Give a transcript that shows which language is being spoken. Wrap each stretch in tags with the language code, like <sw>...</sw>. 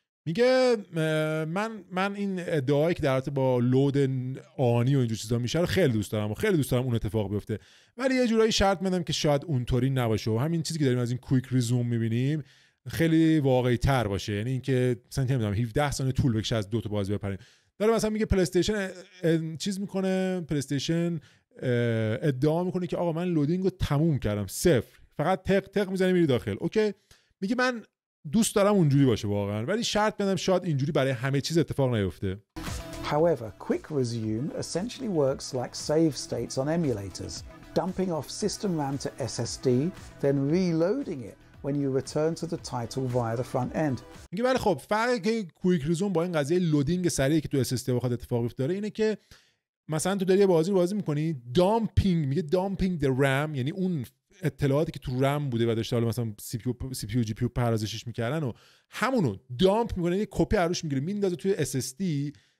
<fa>میگه من این ادعایی که در حالت با لود آنی و اینجور چیزا میشه رو خیلی دوست دارم و خیلی دوست دارم اون اتفاق بیفته ولی یه جورایی شرط میدم که شاید اونطوری نباشه و همین چیزی که داریم از این کویک ریزوم میبینیم خیلی واقعی تر باشه یعنی اینکه مثلا نمیدونم 17 ثانیه طول بکشه از دو تا بازی بپریم داره مثلا میگه پلی‌استیشن چیز میکنه پلی‌استیشن ادعا میکنه که آقا من لودینگ رو تموم کردم صفر فقط تق تق میزنه میری داخل اوکی میگه من دوست دارم اونجوری باشه واقعا ولی شرط بدم شاید اینجوری برای همه چیز اتفاق نیفته.</fa> <en>However, quick resume essentially works like save states on emulators, dumping off system RAM to SSD, then reloading it when you return to the title via the front end.</en> <fa>میگه ولی خب فرق quick resume با این قضیه لودینگ سریعی که تو SSD بخواد اتفاق بیفته اینه که مثلا تو داری بازی رو بازی می‌کنی، dumping میگه</fa> <en>dumping the RAM</en> <fa>یعنی اون اطلاعاتی که تو رم بوده و داشته حالا مثلا CPU GPU پردازشش میکردن و همونو دامپ میکنه یه کپی عروش میگیره میندازه توی SSD</fa>